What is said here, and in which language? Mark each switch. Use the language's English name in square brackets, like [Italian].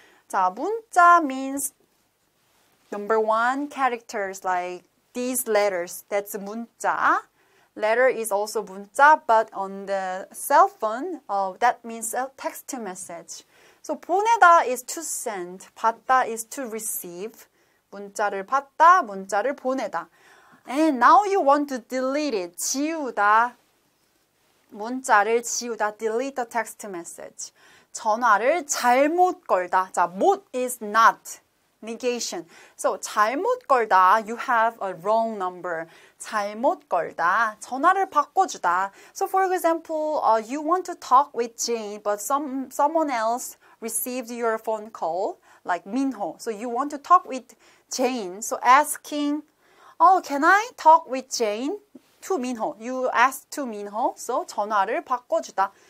[English] 자, 문자 means number one characters like these letters. That's 문자. Letter is also 문자, but on the cell phone, that means a text message. So 보내다 is to send, 받다 is to receive. [Korean] 문자를 받다, 문자를 보내다. [English] And now you want to delete it, 지우다. [Korean] 문자를 지우다, [English] delete the text message. [Korean] 전화를 잘못 걸다. [English] 자, 못 is not, negation. So [Korean] 잘못 걸다, [English] you have a wrong number. [Korean] 잘못 걸다, 전화를 바꿔주다. [English] So for example, you want to talk with Jane, but someone else received your phone call, like Minho. So you want to talk with Jane. So asking, oh, can I talk with Jane? To Minho. You ask to Minho. So [Korean] 전화를 바꿔주다.